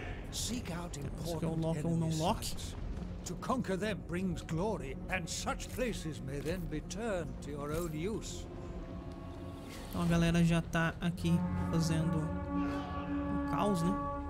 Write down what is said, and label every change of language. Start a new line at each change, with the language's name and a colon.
Portuguese: Isso aqui é o lock ou não lock?
English: To conquer them brings glory, and such places may then be turned to your own use.
Portuguese: Então a galera já tá aqui fazendo um caos, né?